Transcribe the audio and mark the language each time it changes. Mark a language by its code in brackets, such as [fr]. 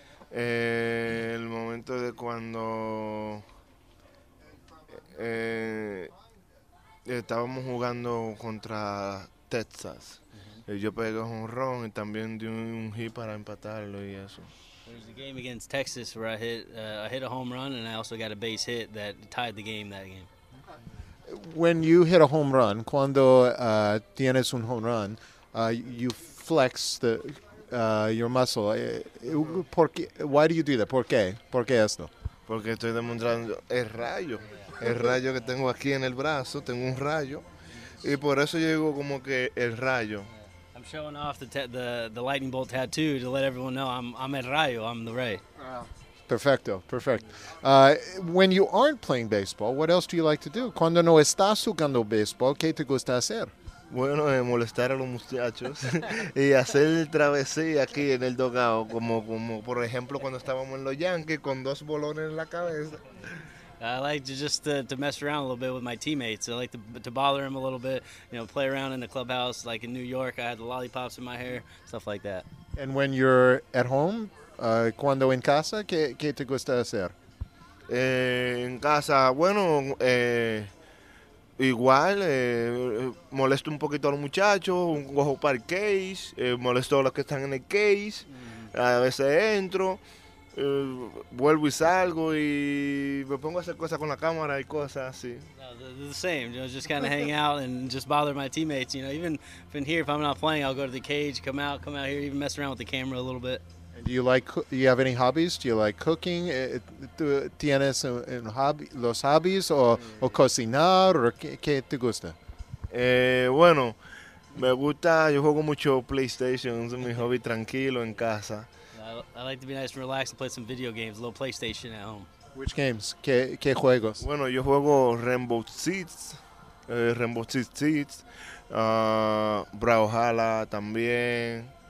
[es] El momento de cuando estábamos jugando contra Texas. Yo pegué un jonrón y también di un hit para empatarlo y eso. [en] There's a game against Texas where I hit a home run and I also got a base hit that tied the game that game. When you hit a home run, [es] cuando tienes un home run, [en] you flex your muscle. Why do you do that? [es] ¿Por qué? ¿Por qué esto? Porque estoy demostrando el rayo que tengo aquí en el brazo. Tengo un rayo y por eso llego como que el rayo. [en] I'm showing off the lightning bolt tattoo to let everyone know I'm el rayo. I'm the ray. [es] Perfecto, perfecto. [en] When you aren't playing baseball, what else do you like to do? [es] Cuando no estás jugando baseball, ¿qué te gusta hacer? Bueno, molestar a los muchachos y hacer travesía aquí en el dugout, como por ejemplo cuando estábamos en los Yankees con dos bolones en la cabeza. [en] I like to just to mess around a little bit with my teammates. I like to bother them a little bit, you know, play around in the clubhouse. Like in New York, I had the lollipops in my hair, stuff like that. And when you're at home, [es] cuando en casa, ¿qué te gusta hacer? En casa, bueno, igual, molesto un poquito a los muchachos, un cojo para el case, molesto a los que están en el case, a veces entro, vuelvo y salgo y me pongo a hacer cosas con la cámara y cosas así. [en] The same, you know, just kind of hang out and just bother my teammates. You know, even here, if I'm not playing, I'll go to the cage, come out here, even mess around with the camera a little bit. Do you like? Do you have any hobbies? Do you like cooking? [es] ¿Tienes un hobby, los hobbies o cocinar? ¿O qué te gusta? Bueno, me gusta. Yo juego mucho PlayStation. Es mi hobby tranquilo en casa. [en] I like to be nice and relaxed and play some video games, a little PlayStation at home. Which games? [es] ¿Qué juegos? Bueno, yo juego Rainbow Six Siege, Brawlhalla también.